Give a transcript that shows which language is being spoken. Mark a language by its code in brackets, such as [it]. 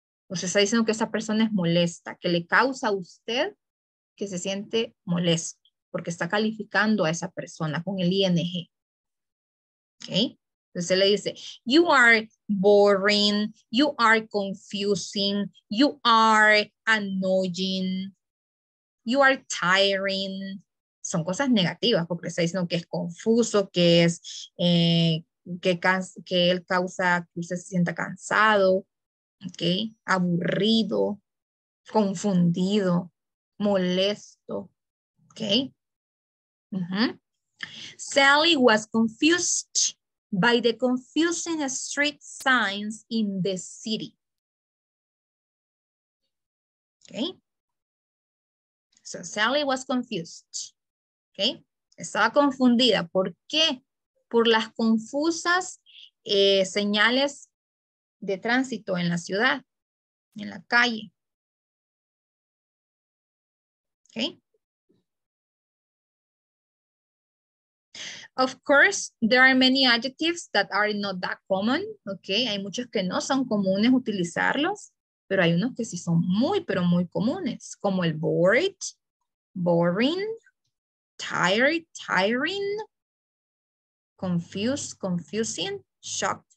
[es] Usted está diciendo que esa persona es molesta, que le causa a usted que se siente molesto, porque está calificando a esa persona con el ING. ¿Ok? Entonces le dice, [en] you are boring, you are confusing, you are annoying, you are tiring. [es] Son cosas negativas, porque está diciendo que es confuso, que es, que él causa que usted se sienta cansado. Okay, aburrido, confundido, molesto. Okay. Mm-hmm. [en] Sally was confused by the confusing street signs in the city. Okay. So Sally was confused. Okay. [es] Estaba confundida. ¿Por qué? Por las confusas señales de tránsito en la ciudad, en la calle. Okay. [en] Of course, there are many adjectives that are not that common. Okay. [es] Hay muchos que no son comunes utilizarlos, pero hay unos que sí son muy, pero muy comunes, como el bored, boring, tired, tiring, confused, confusing, shocked.